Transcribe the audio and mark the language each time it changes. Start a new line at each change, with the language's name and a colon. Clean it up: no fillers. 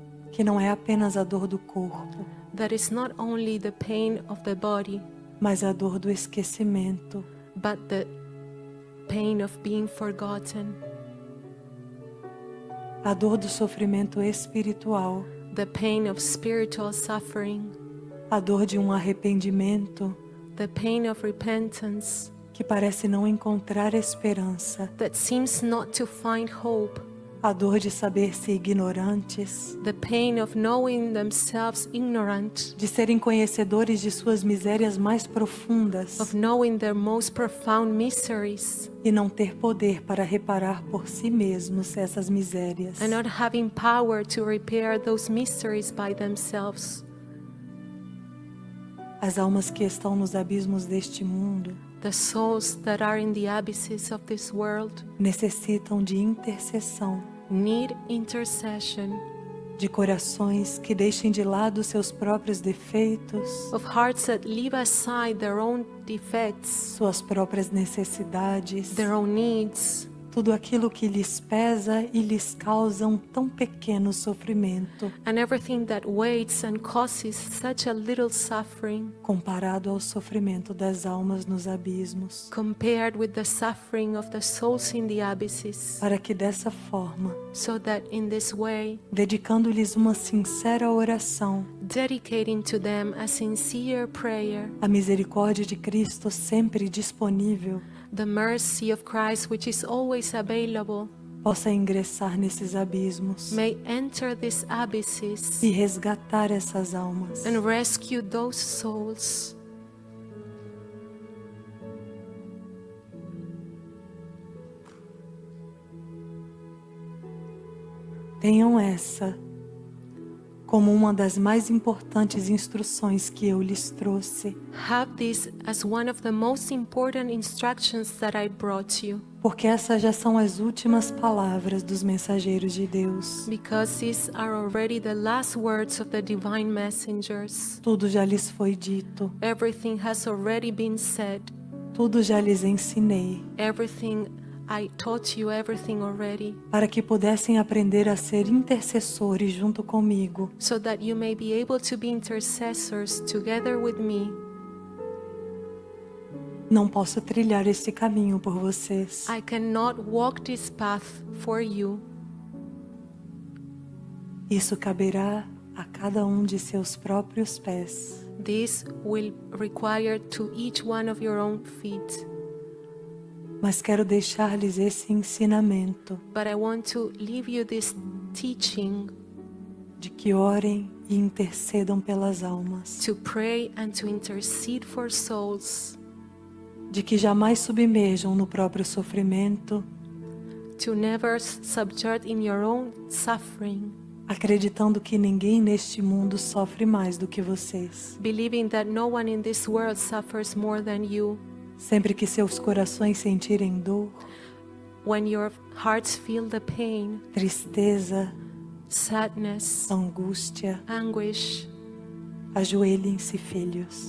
Portuguese: que não é apenas a dor do corpo,
English: that is not only the pain of the body,
Portuguese: mas a dor do esquecimento,
English: but the pain of being forgotten,
Portuguese: a dor do sofrimento espiritual,
English: the pain of spiritual suffering,
Portuguese: a dor de um arrependimento,
English: the pain of repentance,
Portuguese: que parece não encontrar esperança,
English: that seems not to find hope,
Portuguese: a dor de saber-se ignorantes,
English: the pain of knowing themselves ignorant,
Portuguese: de serem conhecedores de suas misérias mais profundas,
English: of knowing their most profound miseries,
Portuguese: e não ter poder para reparar por si mesmos essas misérias,
English: and not having power to repair those miseries by themselves.
Portuguese: As almas que estão nos abismos deste mundo,
English: the souls that are in the abysses of this world,
Portuguese: necessitam de intercessão,
English: need intercession,
Portuguese: de corações que deixem de lado seus próprios defeitos,
English: of hearts that leave aside their own defects,
Portuguese: suas próprias necessidades,
English: their own needs,
Portuguese: tudo aquilo que lhes pesa e lhes causa um tão pequeno sofrimento,
English: and everything that weighs and causes such a little suffering,
Portuguese: comparado ao sofrimento das almas nos abismos,
English: compared with the suffering of the souls in the abysses,
Portuguese: para que dessa forma,
English: so that in this way,
Portuguese: dedicando-lhes uma sincera oração,
English: dedicating to them a sincere prayer,
Portuguese: a misericórdia de Cristo sempre disponível,
English: the mercy of Christ, which is always available,
Portuguese: possa ingressar nesses abismos.
English: May enter these abysses.
Portuguese: E resgatar essas almas.
English: And rescue those souls.
Portuguese: Tenham essa como uma das mais importantes instruções que eu lhes trouxe.
English: Have this as one of the most important instructions that I brought you.
Portuguese: Porque essas já são as últimas palavras dos mensageiros de Deus.
English: Because these are already the last words of the divine messengers.
Portuguese: Tudo já lhes foi dito.
English: Everything has already been said.
Portuguese: Tudo já lhes ensinei.
English: Everything I taught you everything already.
Portuguese: Para que pudessem aprender a ser intercessores junto comigo.
English: So that you may be able to be intercessors together with me.
Portuguese: Não posso trilhar esse caminho por vocês.
English: I cannot walk this path for you.
Portuguese: Isso caberá a cada um de seus próprios pés.
English: This will require to each one of your own feet.
Portuguese: Mas quero deixar-lhes esse ensinamento.
English: But I want to leave you this teaching.
Portuguese: De que orem e intercedam pelas almas.
English: To pray and to intercede for souls.
Portuguese: De que jamais submerjam no próprio sofrimento.
English: To never subject in your own suffering.
Portuguese: Acreditando que ninguém neste mundo sofre mais do que vocês.
English: Believing that no one in this world suffers more than you.
Portuguese: Sempre que seus corações sentirem dor,
English: when your hearts feel the pain,
Portuguese: tristeza,
English: sadness,
Portuguese: angústia,
English: anguish,
Portuguese: ajoelhem-se, filhos,